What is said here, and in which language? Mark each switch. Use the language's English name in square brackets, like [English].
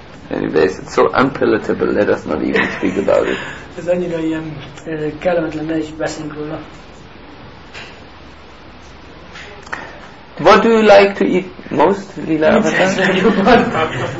[English] Anyways, it's so unpalatable, let us not even speak about it. [Hungarian] Ez annyira ilyen kellemetlen, ne is beszéljünk róla. [English] What do you like to eat most, Lila Avatar?